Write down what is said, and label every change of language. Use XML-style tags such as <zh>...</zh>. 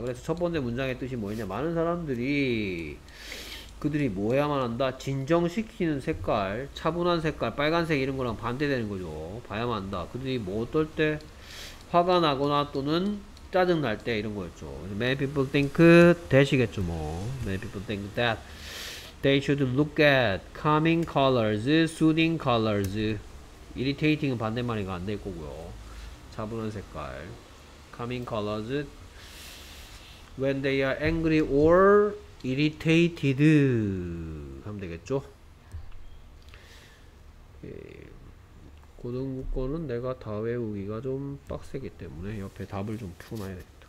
<ko>그래서 첫 번째 문장의 뜻이 뭐였냐, 많은 사람들이 그들이 뭐 해야만 한다? 진정시키는 색깔, 차분한 색깔, 빨간색 이런 거랑 반대되는 거죠. 봐야만 한다. 그들이 뭐 어떨 때? 화가 나거나 또는 짜증날 때 이런 거였죠.</ko> <en>Many people think that이겠죠, 뭐. Many people think that they should look at calming colors, soothing colors.</en> <ko>Irritating은 반대말이가 안 될 거고요. 차분한 색깔.</ko> <en>Calming colors when they are angry or irritated</en> <ko>하면 되겠죠. 고등국어는 내가 다 외우기가 좀 빡세기 때문에 옆에 답을 좀 풀어놔야겠다.</ko>